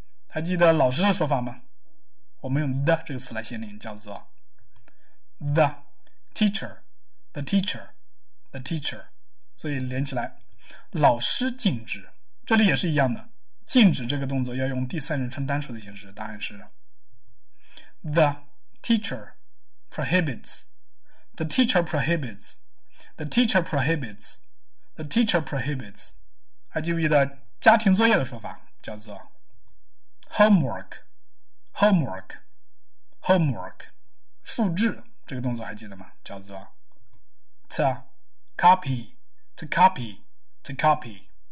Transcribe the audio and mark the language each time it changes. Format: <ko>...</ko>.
<zh>还记得老师的说法吗？我们用 the 这个词来限定，叫做</zh> <en>the teacher, the teacher, the teacher.</en> <zh>所以连起来，老师禁止，这里也是一样的，禁止这个动作要用第三人称单数的形式，答案是</zh> <en>the teacher prohibits, the teacher prohibits, the teacher prohibits, the teacher prohibits.</en> <zh>还记不记得家庭作业的说法，叫做</zh> <en>homework, homework, homework.</en> <zh>复制这个动作还记得吗，叫做</zh> <en>to copy, to copy, to copy.</en>